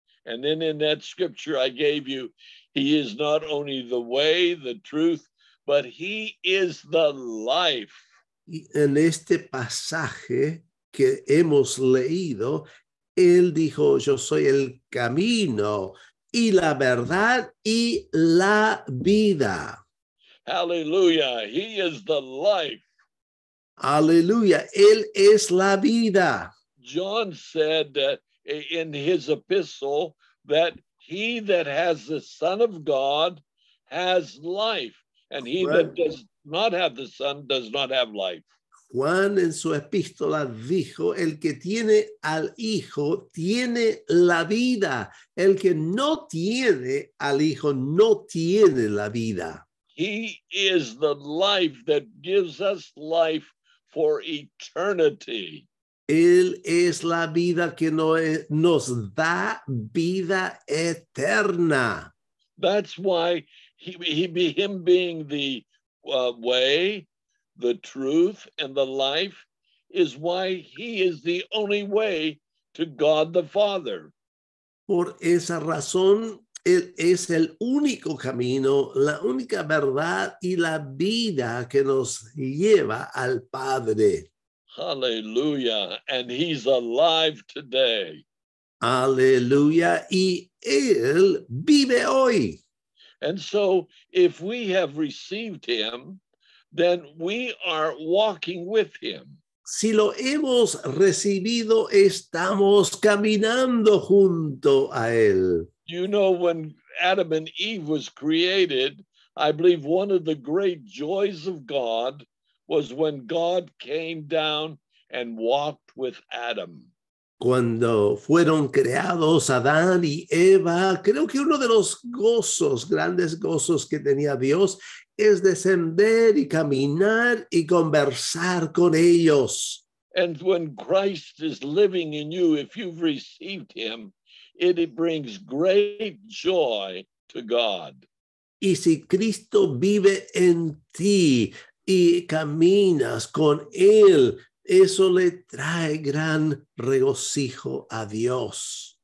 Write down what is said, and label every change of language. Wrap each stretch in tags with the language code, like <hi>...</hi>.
<en>And then in that scripture I gave you, he is not only the way, the truth, but he is the life.</en> <es>Y en este pasaje que hemos leído, él dijo, yo soy el camino y la verdad y la vida.</es> <en>Hallelujah, he is the life.</en> <es>Hallelujah, él es la vida.</es> <en>John said in his epistle that he that has the Son of God has life, and he right. that does not have the Son does not have life.</en> <es>Juan en su epístola dijo, el que tiene al Hijo tiene la vida, el que no tiene al Hijo no tiene la vida.</es> <en>He is the life that gives us life for eternity.</en> <es>Él es la vida que nos da vida eterna.</es> <en>That's why him being the way, the truth, and the life is why he is the only way to God the Father.</en> <es>Por esa razón, él es el único camino, la única verdad y la vida que nos lleva al Padre.</es> <en>Hallelujah, and he's alive today.</en> <es>Hallelujah, y él vive hoy.</es> <en>And so if we have received him, then we are walking with him.</en> <es>Si lo hemos recibido, estamos caminando junto a él.</es> <en>You know, when Adam and Eve was created, I believe one of the great joys of God was when God came down and walked with Adam.</en> <es>cuando fueron creados Adán y Eva, creo que uno de los gozos, grandes gozos que tenía Dios, es descender y caminar y conversar con ellos.</es> <en>And when Christ is living in you, if you've received him, it brings great joy to God.</en> <es>Y si Cristo vive en ti y caminas con él, eso le trae gran regocijo a Dios.</es>